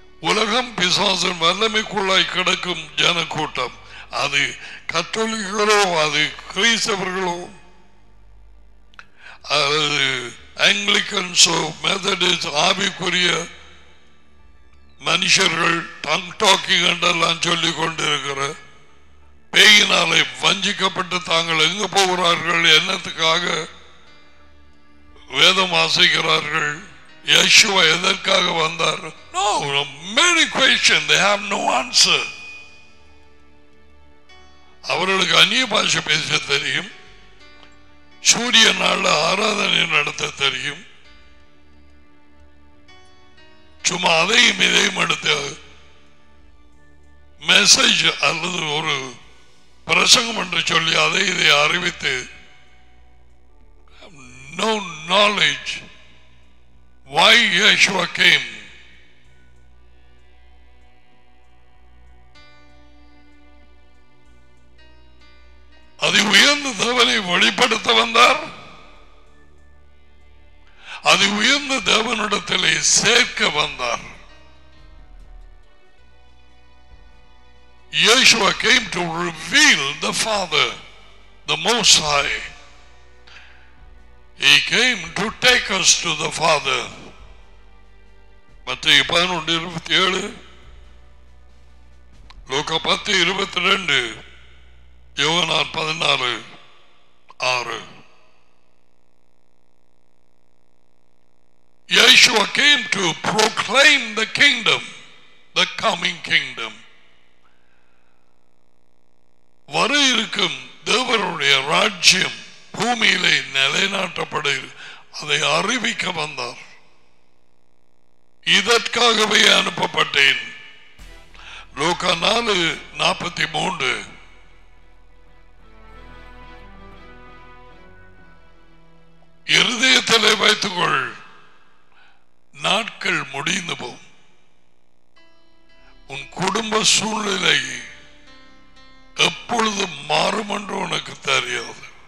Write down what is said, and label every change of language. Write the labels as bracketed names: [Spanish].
[Tamil] உலகம் பிசாசன் வல்லமைக்குள்ளாய் கிடக்கும் ஜனக்கூட்டம், அது கத்தோலிக்களோ, அது கிறிஸ்தவர்களோ, அது ஆங்கிலிகன்ஸோ, மெதடிஸ்ட், ஆவிக்குரிய மனுஷர்கள், டங் டாக்கிங் என்றெல்லாம் சொல்லிக் கொண்டிருக்கிற பேயினாலே வஞ்சிக்கப்பட்டு தாங்கள் எங்கு போகிறார்கள், என்னத்துக்காக வேதம் ஆசைக்கிறார்கள், யேசுவா எதற்காக வந்தார்? [English] No, many questions, they have no answer. [Tamil] அவர்களுக்கு அந்நிய பாஷை பேச தெரியும், சூரிய நாளில் ஆராதனை நடத்த தெரியும், சும்மா அதையும் இதையும் எடுத்த மெசேஜ் அல்லது ஒரு பிரசங்கம் என்று சொல்லி அதை இதை அறிவித்து, [English] no knowledge why Yeshua came. [Tamil] அதி உயர்ந்த தேவனை வெளிப்படுத்த வந்தார், அதி உயர்ந்த தேவனிடத்திலே சேர்க்க வந்தார். [English] Yeshua came to reveal the Father, the Most High. He came to take us to the Father. Matthew 11:27, Luke 10:22, Yohanan 14:6. Yeshua came to proclaim the kingdom, the coming kingdom. [Tamil] வர இருக்கும் தேவருடைய ராஜ்யம் பூமியிலே நிலைநாட்டப்பட அதை அறிவிக்க வந்தார். இதற்காகவே அனுப்பப்பட்டேன். லூக்கா 4:43, இருதயத்திலே வைத்துக்கொள், நாட்கள் முடிந்து போ, உன் குடும்ப சூழ்நிலை எப்பொழுது மாறும் என்று உனக்கு தெரியாது.